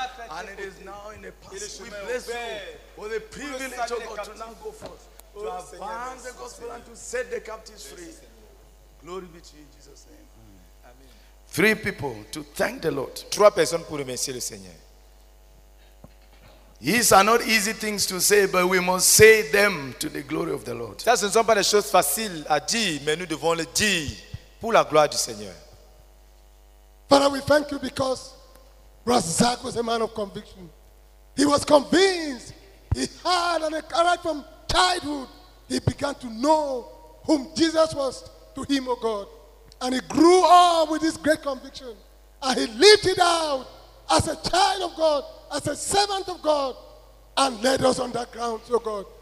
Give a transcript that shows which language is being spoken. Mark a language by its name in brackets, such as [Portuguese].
[English] And it is now in the past. We bless you for the privilege, oh God, to now go forth, to advance the gospel and to set the captives free. Glory be to you in Jesus' name. Amen. Three people to thank the Lord. [French] Trois personnes pour remercier le Seigneur. [English] These are not easy things to say, but we must say them to the glory of the Lord. [French] Ça, ce ne sont pas des choses faciles à dire, mais nous devons le dire pour la gloire du Seigneur. [English] Father, we thank you because Brother Zach was a man of conviction. He was convinced. He had an encouragement from childhood. He began to know whom Jesus was to him, oh God. And he grew up with this great conviction. And he lived it out as a child of God, as a servant of God, and led us on that ground, oh God.